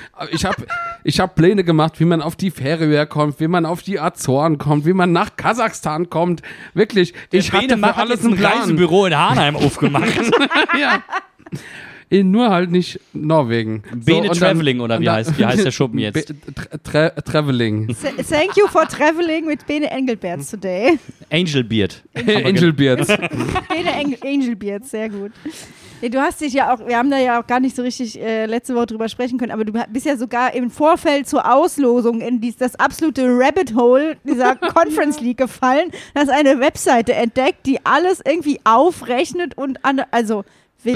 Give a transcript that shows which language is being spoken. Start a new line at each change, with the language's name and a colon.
German: Ich hab Pläne gemacht, wie man auf die Färöer kommt, wie man auf die Azoren kommt, wie man nach Kasachstan kommt. Wirklich, ich hatte für alles ein Reisebüro in Hanheim aufgemacht. Ja. Nur halt nicht Norwegen. Bene so, Traveling dann, oder wie heißt der Schuppen jetzt? Traveling.
English: Thank you for traveling with Bene Engelbärts today. Angelbeard. Angelbeards.
German: Bene Angelbeards, sehr gut. Nee, du hast dich ja auch, wir haben da ja auch gar nicht so richtig letzte Woche drüber sprechen können, aber du bist ja sogar im Vorfeld zur Auslosung in das absolute Rabbit Hole dieser Conference League gefallen. Du hast eine Webseite entdeckt, die alles irgendwie aufrechnet und also wild.